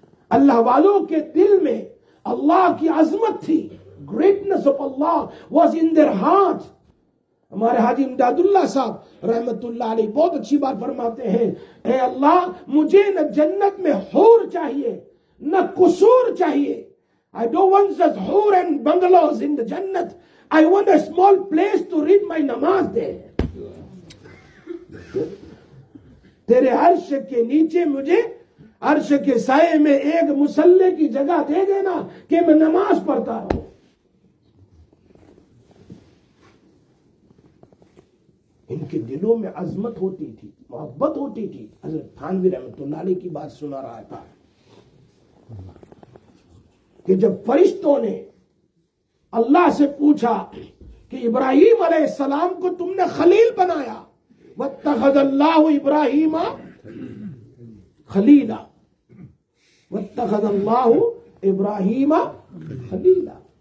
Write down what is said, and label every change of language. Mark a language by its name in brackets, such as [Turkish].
[Urdu] اللہ والوں کے دل میں اللہ کی عظمت تھی, [English] Greatness of Allah was in their heart. [Urdu] ہمارے حاجی امداد اللہ صاحب رحمت اللہ علیہ بہت اچھی بات فرماتے ہیں, اے اللہ مجھے نہ جنت میں حور چاہیے نہ قصور چاہیے. [English] I don't want just hoor and bungalows in the jannat. I want a small place to read my namaz there. [Urdu] تیرے عرش کے نیچے مجھے عرش کے سائے میں ایک مسلح کی جگہ دے دینا کہ میں نماز پڑھتا ہوں. ان کے دلوں میں عظمت ہوتی تھی, محبت ہوتی تھی. حضرت تھانوی رحمت اللہ علیہ کی بات سنا رہا تھا کہ جب فرشتوں نے اللہ سے پوچھا کہ ابراہیم علیہ السلام کو تم نے خلیل بنایا, [Arabic] واتخذ اللہ ابراہیم خلیلا, واتخذ اللہ ابراہیم خلیلا.